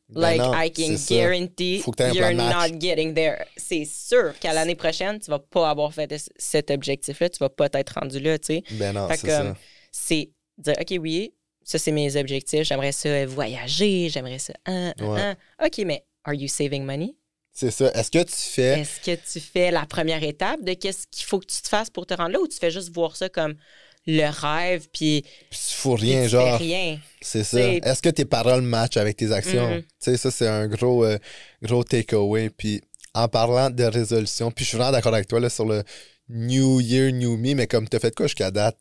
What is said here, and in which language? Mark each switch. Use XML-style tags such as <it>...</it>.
<en>Ben like, non, I can guarantee you're not getting there.</en> <fr>C'est sûr qu'à l'année prochaine, tu vas pas avoir fait cet objectif-là, tu vas pas t'être rendu là, tu sais. Ben non, fait c'est ça. C'est dire, OK, oui, ça, c'est mes objectifs, j'aimerais ça voyager, j'aimerais ça...</fr> <en>OK, mais are you saving money?</en> <fr>C'est ça. Est-ce que tu fais la première étape de qu'est-ce qu'il faut que tu te fasses pour te rendre là ou tu fais juste voir ça comme... le rêve, puis tu fous rien, puis tu genre. Fais rien. C'est ça. Est-ce que tes paroles matchent avec tes actions? Tu sais, ça, c'est un gros, gros takeaway. Puis en parlant de résolution, puis je suis vraiment d'accord avec toi là, sur le</fr> <en>New Year, New Me,</en> <fr>mais comme t'as fait quoi jusqu'à date?</fr>